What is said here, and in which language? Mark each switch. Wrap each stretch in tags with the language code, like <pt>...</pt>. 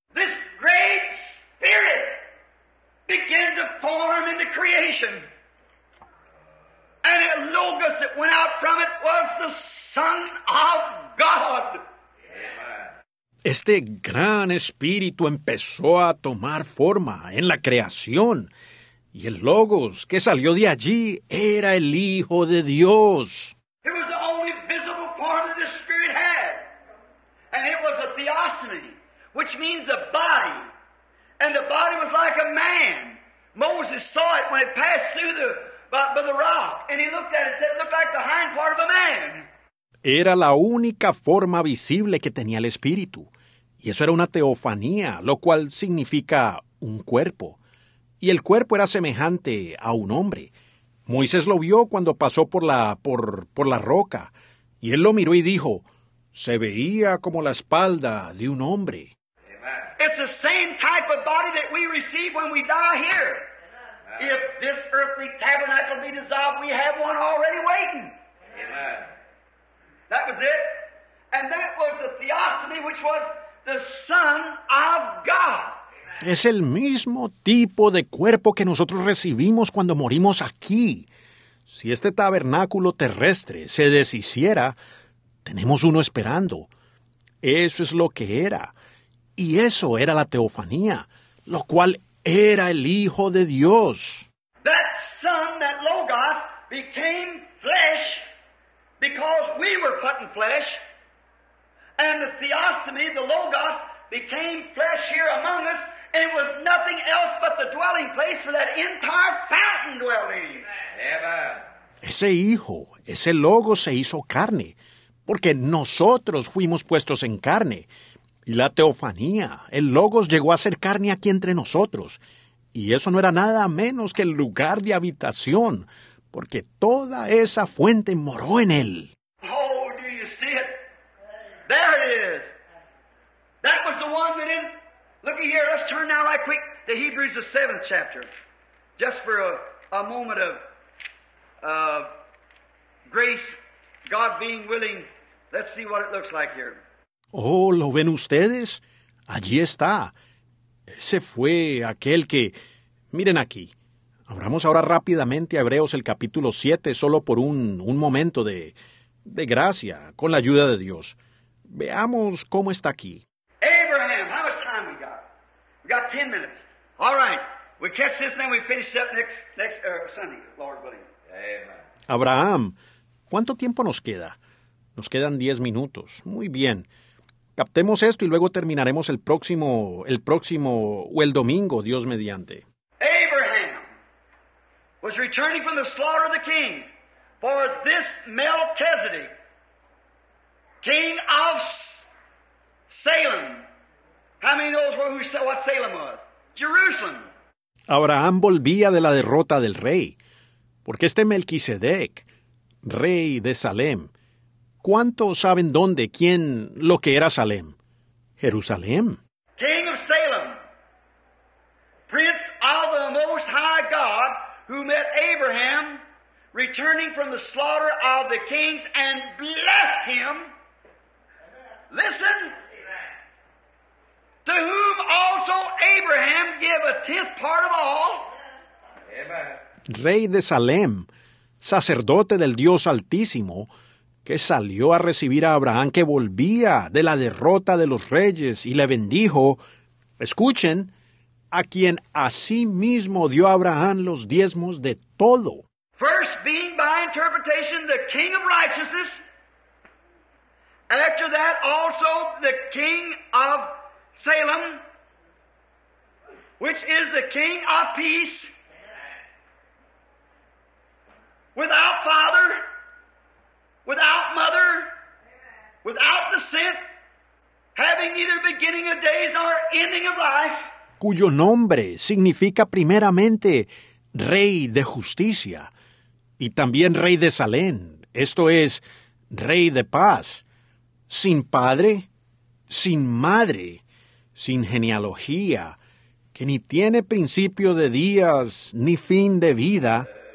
<en>This great spirit began to form in the creation. And a Logos that went out from it was the Son of God.</en> <es>Este gran espíritu empezó a tomar forma en la creación, y el Logos que salió de allí era el Hijo de Dios.</es> <en>It was the only visible form that the Spirit had, and it was a theosomy, which means a body, and the body was like a man. Moses saw it when it passed through by the rock, and he looked at it and said, it looked like the hind part of a man.</en> <es>Era la única forma visible que tenía el Espíritu. Y eso era una teofanía, lo cual significa un cuerpo. Y el cuerpo era semejante a un hombre. Moisés lo vio cuando pasó por la roca, y él lo miró y dijo, se veía como la espalda de un hombre.</es> <en>It's the same type of body that we receive when we die here. If this earthly tabernacle be dissolved, we have one already waiting. Amen. That was it. And that was the theostomy which was the Son of God.</en> <es>Es el mismo tipo de cuerpo que nosotros recibimos cuando morimos aquí. Si este tabernáculo terrestre se deshiciera, tenemos uno esperando. Eso es lo que era. Y eso era la teofanía, lo cual era el Hijo de Dios.</es> <en>That Son, that Logos, became flesh because we were put in flesh. And the theostomy, the Logos, became flesh here among us. And it was nothing else but the dwelling place for that entire fountain dwelling. Amen.</en> <es>Ese Hijo, ese Logos, se hizo carne, porque nosotros fuimos puestos en carne. Y la teofanía, el Logos, llegó a ser carne aquí entre nosotros. Y eso no era nada menos que el lugar de habitación, porque toda esa fuente moró en él.</es> <en>Oh, do you see it? There it is. That was the one that in... Look here, let's turn now right quick to Hebrews, the 7th chapter. Just for a moment of grace, God being willing, let's see what it looks like here.</en> <es>Oh, ¿lo ven ustedes? Allí está. Ese fue aquel que... Miren aquí. Abramos ahora rápidamente a Hebreos el capítulo 7, solo por un momento de gracia, con la ayuda de Dios. Veamos cómo está aquí.</es> <en>Abraham, how much time we got? We got 10 minutes. All right. We catch this and then we finish up next Sunday, Lord willing. Amen.</en> <es>Abraham, ¿cuánto tiempo nos queda? Nos quedan 10 minutos. Muy bien. Captemos esto y luego terminaremos el próximo o el domingo, Dios mediante.</es> <en>Abraham was returning from the slaughter of the kings, for this Melchizedek, king of Salem. How many knows what Salem was? Jerusalem.</en> <es>Abraham volvía de la derrota del rey, porque este Melquisedec, rey de Salem. ¿Cuántos saben dónde, quién, lo que era Salem? Jerusalén.</es> <en>King of Salem, prince of the Most High God, who met Abraham returning from the slaughter of the kings and blessed him. Listen. To whom also Abraham gave a tenth part of all. Amen.</en> <es>Rey de Salem, sacerdote del Dios Altísimo, que salió a recibir a Abraham, que volvía de la derrota de los reyes y le bendijo, escuchen, a quien así mismo dio a Abraham los diezmos de todo.</es> <en>First being by interpretation the king of righteousness, after that also the king of Salem, which is the king of peace, without father, without mother, without descent, having neither beginning of days nor ending of life.</en> <es>Cuyo nombre significa primeramente rey de justicia y también rey de Salem, esto es, rey de paz. Sin padre, sin madre, sin genealogía, que ni tiene principio de días ni fin de vida.</es>